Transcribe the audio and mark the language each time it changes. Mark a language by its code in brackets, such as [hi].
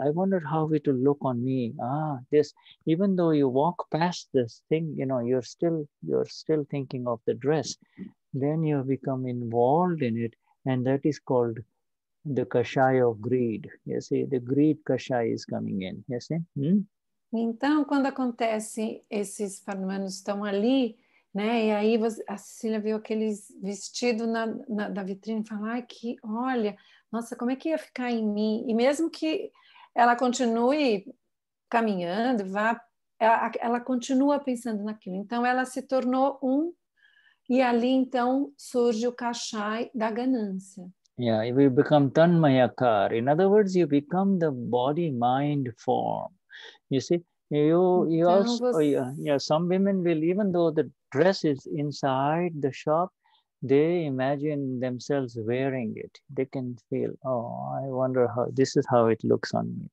[en] I wonder how it will look on me. This, even though you walk past this thing, you know, you're still thinking of the dress. Then you become involved in it. And that is called the kashaya of greed. You see, the greed kashaya is coming in. You see? [pt] Então, quando acontece esses fenômenos estão ali, né? E aí a Cecília viu aquele vestido na vitrine e fala, ai, que olha, nossa, como é que ia ficar em mim? E mesmo que ela continue caminhando, ela continua pensando naquilo. Então, ela se tornou um, e ali então surge o kashai da ganância. [en] Yeah, you become tanmayakar. In other words, you become the body-mind form. You see, some women will, even though the dress is inside the shop, they imagine themselves wearing it. They can feel, oh, I wonder how, this is how it looks on me.